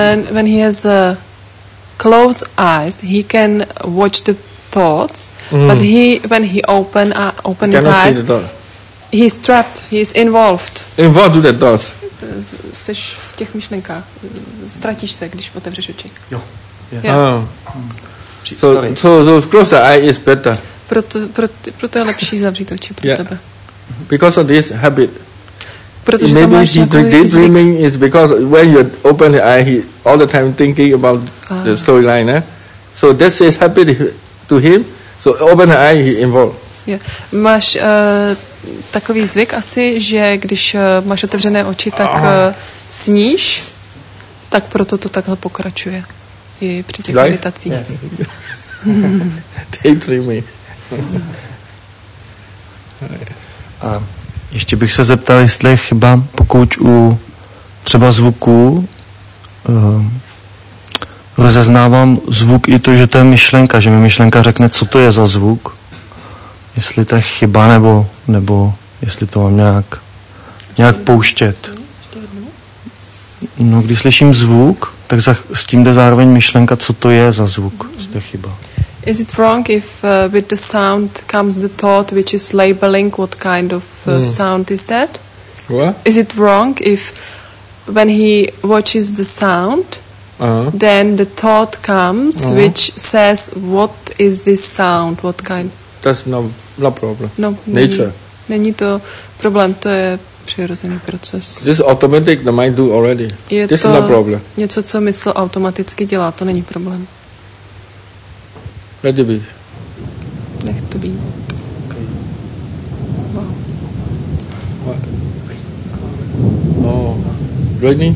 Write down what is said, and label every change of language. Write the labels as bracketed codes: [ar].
[en] When he has closed eyes, he can watch the thoughts, but he when he open his eyes, he's trapped, he's involved. Involved with the thoughts. [cs] Jsi v těch myšlenkách, ztratíš se, když otevřeš oči. [en] So, so close the eye is better. [cs] Proto je lepší zavřít oči pro tebe. [en] Because of this habit. [cs] Protože [en] maybe [cs] tam máš nějakou [en] daydreaming jizik. Is because when you open the eye, he all the time thinking about the storyline. Eh? So this is happy to him. So open the eye, he involved. Yeah. [cs] Máš takový zvyk asi, že když máš otevřené oči, tak sníš, tak proto to takhle pokračuje i při těch [en] life? [cs] Meditacích. [en] Yes. Daydreaming. [cs] Ještě bych se zeptal, jestli je chyba, pokud u třeba zvuku rozeznávám zvuk i to, že to je myšlenka, že mi myšlenka řekne, co to je za zvuk, jestli to je chyba, nebo jestli to mám nějak pouštět. No, když slyším zvuk, tak s tím jde zároveň myšlenka, co to je za zvuk, jestli to je chyba. [en] Is it wrong if with the sound comes the thought which is labeling what kind of sound is that? What? Is it wrong if when he watches the sound, then the thought comes which says what is this sound, what kind? That's no problem. No, nature. [cs] Není to problém, to je přirozený proces. [en] This automatic the mind do already. [cs] Je [en] this [cs] to [en] is no problem. [cs] Něco, co mysl automaticky dělá, to není problém. [en] Let it be. [cs] Nech to být. [en] Okay. Wow. What? Oh. Raining?